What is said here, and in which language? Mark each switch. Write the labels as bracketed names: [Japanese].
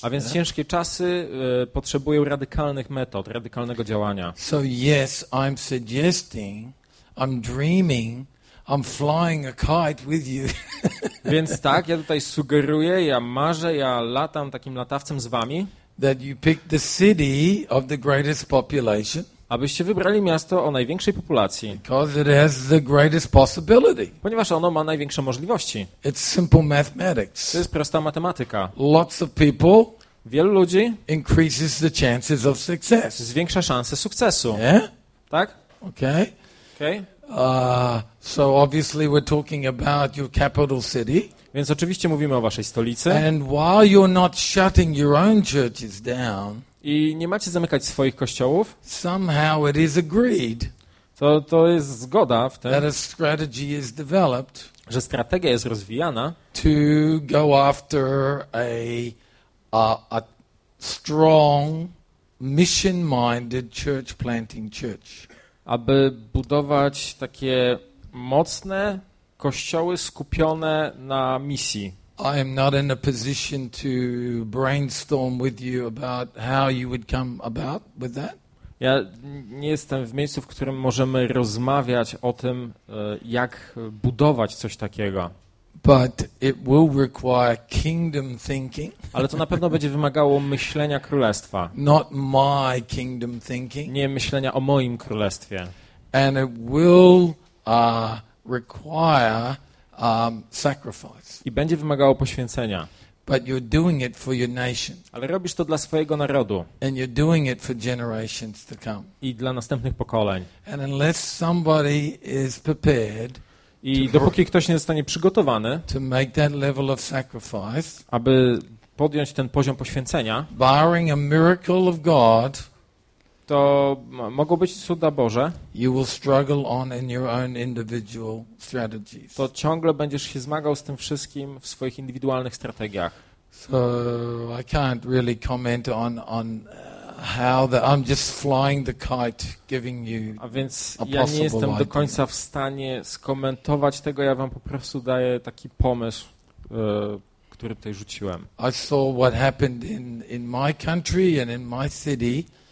[Polish] A więc ciężkie czasy potrzebują radykalnych metod, radykalnego działania. [English] So yes, I'm suggesting, I'm dreaming, I'm flying a kite with you. [Polish] Więc tak, ja tutaj sugeruję, ja marzę, ja latam takim latawcem z wami. [English] That you pick the city of the greatest population. [Polish] Abyście wybrali miasto o największej populacji. [English] Because it has the greatest possibility. [Polish] Ponieważ ono ma największe możliwości. [English] It's simple mathematics. [Polish] To jest prosta matematyka. [English] Lots of people. [Polish] Wielu ludzi [English] increases the chances of success. [Polish] Zwiększa szanse sukcesu. [English] Yeah? [Polish] Tak? [English] Okay. Okay. So obviously we're talking about your capital city. [Polish] Więc oczywiście mówimy o waszej stolicy. [English] And while you're not shutting your own churches down, [Polish] i nie macie zamykać swoich kościołów, [English] somehow it is agreed. [Polish] To jest zgoda w tym, [English] that a strategy is developed, [Polish] że strategia jest rozwijana, [English] to go after a strong mission-minded church planting church. [Polish] Aby budować takie mocne kościoły skupione na misji. [English] I am not in a position to brainstorm with you about how you would come about with that. [Polish] Ja nie jestem w miejscu, w którym możemy rozmawiać o tym, jak budować coś takiego. [English] But it will require kingdom thinking. [Polish] Ale to na pewno będzie wymagało myślenia królestwa. [English] Not my kingdom thinking. [Polish] Nie myślenia o moim królestwie. [English] And it will require sacrifice. [Polish] I będzie wymagało poświęcenia. [English] But you're doing it for your nation. [Polish] Ale robisz to dla swojego narodu. [English] And you're doing it for generations to come. [Polish] I dla następnych pokoleń. [English] And unless somebody is prepared, [Polish] i dopóki ktoś nie zostanie przygotowany, [English] to make that level of sacrifice, [Polish] aby podjąć ten poziom poświęcenia, [English] barring a miracle of God, [Polish] to mogą być cuda Boże, [English] you will struggle on in your own individual strategies. [Polish] To ciągle będziesz się zmagał z tym wszystkim w swoich indywidualnych strategiach. [English] So I can't really comment on how the, I'm just flying the kite, giving you a possible idea. [Polish] A więc ja nie jestem do końca w stanie skomentować tego, ja wam po prostu daję taki pomysł, który tutaj rzuciłem. [English] I saw what happened in my country and in my city.